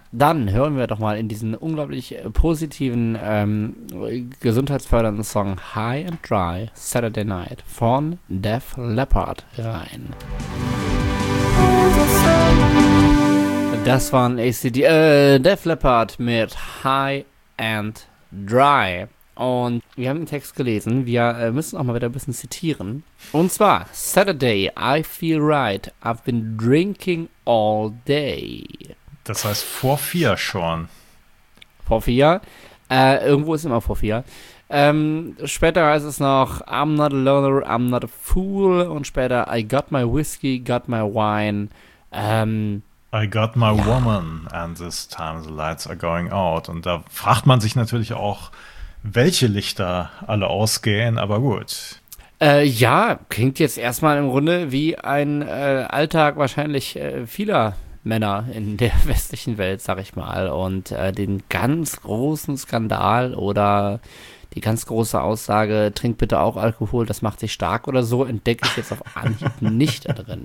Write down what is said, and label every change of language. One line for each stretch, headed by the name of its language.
German: Dann hören wir doch mal in diesen unglaublich positiven, gesundheitsfördernden Song High and Dry Saturday Night von Def Leppard rein. Das waren Def Leppard mit High and Dry. Und wir haben den Text gelesen, wir müssen auch mal wieder ein bisschen zitieren.
English: Und zwar, Saturday, I feel right, I've been drinking all day.
German: Das heißt vor vier schon. Vor vier? Irgendwo ist immer vor vier.
English: Später heißt es noch, I'm not a loner, I'm not a fool. Und später, I got my whiskey, got my wine, I got my woman and this time the lights are going out.
German: Und da fragt man sich natürlich auch, welche Lichter alle ausgehen, aber gut. Ja, klingt jetzt erstmal im Grunde wie ein Alltag wahrscheinlich vieler Männer in der westlichen Welt, sag ich mal. Und den ganz großen Skandal oder die ganz große Aussage, trink bitte auch Alkohol, das macht dich stark oder so, entdecke ich jetzt auf Anhieb nicht da drin.